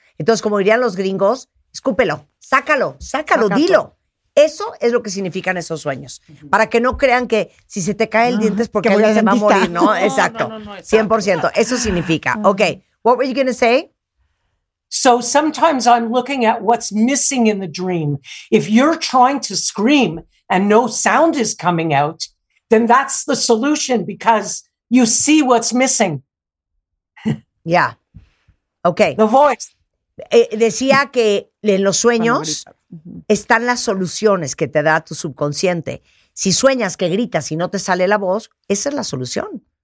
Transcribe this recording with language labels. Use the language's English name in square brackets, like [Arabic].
[Spanish] Entonces, como dirían los gringos, escúpelo, sácalo, dilo. Eso es lo que significan esos sueños. Para que no crean que si se te cae el diente es porque se dentista. Va a morir, ¿no? Exacto. No, [English] 100%. [Spanish] Eso significa. [English] Okay. What were you going to say? So sometimes I'm looking at what's missing in the dream. If you're trying to scream and no sound is coming out, then that's the solution because you see what's missing. Yeah. Okay. The voice. [Spanish] Decía que en los sueños están las soluciones que te da tu subconsciente. Si sueñas que gritas y no te sale la voz, esa es la solución.